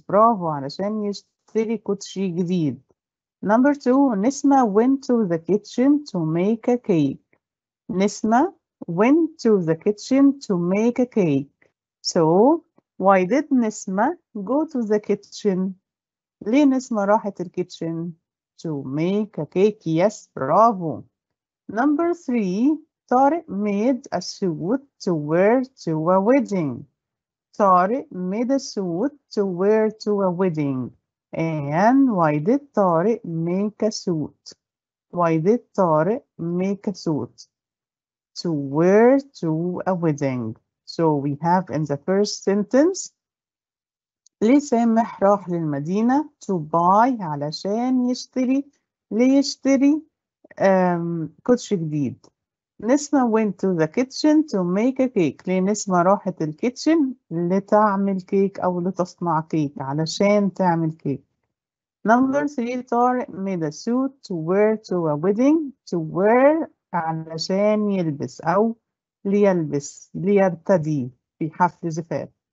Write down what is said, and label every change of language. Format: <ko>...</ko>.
<ar>Bravo, علشان يشتري كوتشي جديد.</ar> <en>Number two, Nisma went to the kitchen to make a cake. Nisma went to the kitchen to make a cake. So, why did Nisma go to the kitchen?</en> <ar>ليه Nisma راحت الكيتشن?</ar> <en>To make a cake, yes, bravo. Number three, Tariq made a suit to wear to a wedding. Tariq made a suit to wear to a wedding. And why did Tariq make a suit? Why did Tariq make a suit? To wear to a wedding. So we have in the first sentence,</en> <ar>ليه سامح راح للمدينة</ar> <en>to buy</en> <ar>علشان يشتري ليشتري كوتشي جديد.</ar> <en>Nesma went to the kitchen to make a cake.</en> <ar>ليه نسمة راحت الكيتشن لتعمل كيك أو لتصنع كيك علشان تعمل كيك.</ar> <en>Number three, Tariq made a suit to wear to a wedding, to wear</en> <ar>علشان يلبس أو ليلبس ليرتدي في حفل زفاف.</ar>